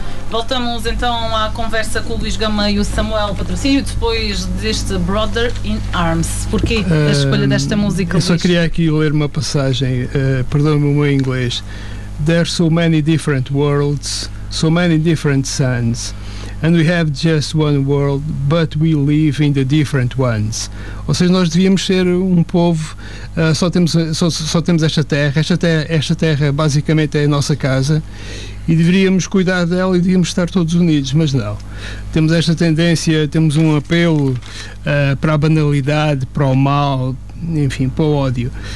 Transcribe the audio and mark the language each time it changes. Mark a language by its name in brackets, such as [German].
[Portuguese] Voltamos então à conversa com o Luís Gama e o Samuel Patrocínio depois deste Brother in Arms. Porquê a escolha desta música, Luís? Eu só queria aqui ler uma passagem, perdão-me o meu inglês. [English] There's so many different worlds, so many different suns, and we have just one world, but we live in the different ones. [Portuguese] Ou seja, nós devíamos ser um povo, só temos esta terra, esta terra basicamente é a nossa casa, e deveríamos cuidar dela e devíamos estar todos unidos, mas não. Temos esta tendência, temos um apelo para a banalidade, para o mal, enfim, para o ódio.